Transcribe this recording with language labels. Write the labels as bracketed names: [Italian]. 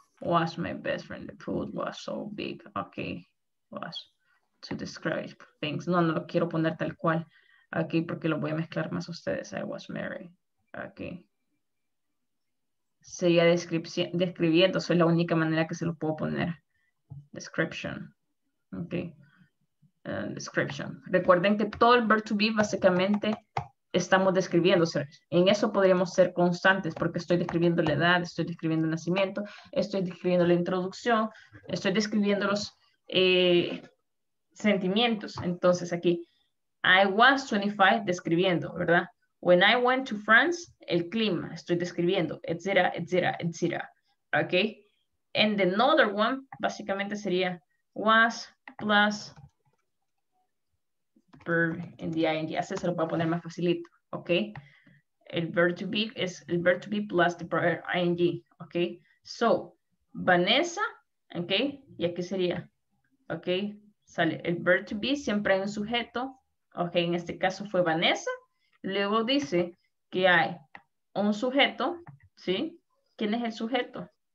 [English] Was my best friend, the food was so big. Ok, was, to describe things. [Spanish] No, no lo quiero poner tal cual. Ok, porque lo voy a mezclar más a ustedes. [English] I was married. [Spanish] Ok. Sería describiendo, eso es la única manera que se lo puedo poner. Description. Ok. Description. Recuerden que todo el verb to be básicamente estamos describiendo. O sea, en eso podríamos ser constantes porque estoy describiendo la edad, estoy describiendo el nacimiento, estoy describiendo la introducción, estoy describiendo los sentimientos. Entonces aquí, [English] I was 25 [Spanish] describiendo, ¿verdad? [English] When I went to France, [Spanish] el clima, estoy describiendo, etcétera, etcétera, etcétera. Ok. [English] And another one, [Spanish] básicamente sería [English] was plus verb in the ing. [Spanish] Así se lo voy a poner más facilito. Ok. El verb to be es el verb to be [English] plus the prior ing. [Spanish] Ok. So, Vanessa, ok. Y aquí sería, ok. Sale el verb to be siempre en sujeto. Ok. En este caso fue Vanessa. Luego dice que hay un sujeto, ¿sí? ¿Quién es el sujeto?